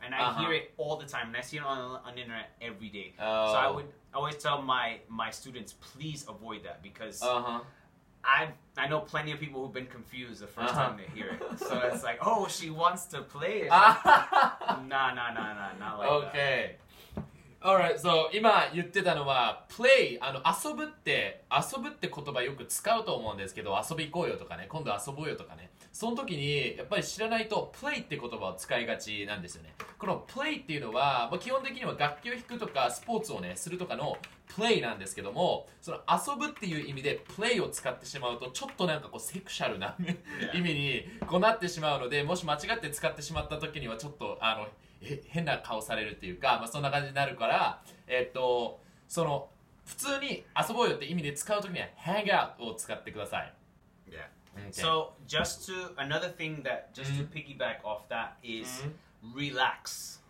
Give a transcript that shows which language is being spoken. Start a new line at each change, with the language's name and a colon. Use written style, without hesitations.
English: And I hear it all the time. And I see it on the internet every day. Oh. So I always tell my students, please avoid that because I know plenty of people who've been confused the first time they hear it. So it's like, oh, she wants to play. Like, nah, not like that. Okay. Alright, so
Japanese: 今言ってたのは play、 遊ぶって言葉よく使うと思うんですけど、遊び行こうよとかね、今度遊ぼうよとかね、その時にやっぱり知らないと play って言葉を使いがちなんですよね。この play っていうのは、まあ、基本的には楽器を弾くとかスポーツをねするとかの play なんですけども、その遊ぶっていう意味で play を使ってしまうとちょっとなんかこうセクシャルな意味にこうなってしまうので、もし間違って使ってしまった時にはちょっと変な顔されるっていうか、まあ、そんな感じになるから、その普通に遊ぼうよって意味で使うときには hang out を使ってください。
English: Yeah、okay. So just to another thing that just to piggyback off that is relax.